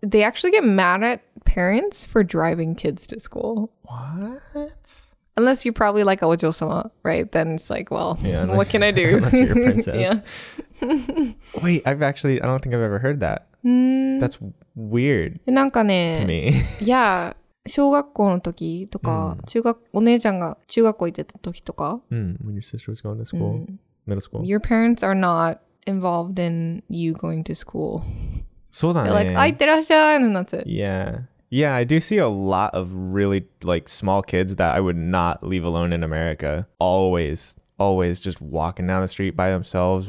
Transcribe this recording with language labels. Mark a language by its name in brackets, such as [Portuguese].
[English] They actually get mad at parents for driving kids to school. What? Unless you're probably like, Ojo-sama, right? Then it's like, well, yeah, what can I do? Unless you're a princess. Wait, I don't think I've ever heard that. That's weird to me. Yeah. [Japanese] 小学校の時とか、中学、お姉ちゃんが中学校行ってた時とか。 [English] When your sister was going to school, middle school. Your parents are not involved in you going to school. [Japanese] そうだね。 [English] They're like, [Japanese] あ、行ってらっしゃい! [English] And then that's it. Yeah. Yeah, I do see a lot of really, like, small kids that I would not leave alone in America. Always, always just walking down the street by themselves.